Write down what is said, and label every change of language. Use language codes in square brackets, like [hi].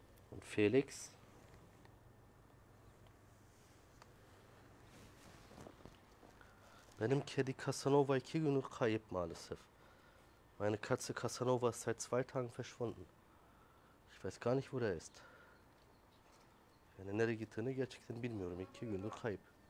[de] Und Felix. [tr] Benim kedi Casanova 2 gün kayıp maalesef. [de] Meine Katze Casanova ist seit 2 Tagen verschwunden. Ich weiß gar nicht, wo er ist. [tr] Yani nereye gittiğini gerçekten bilmiyorum. 2 gündür kayıp.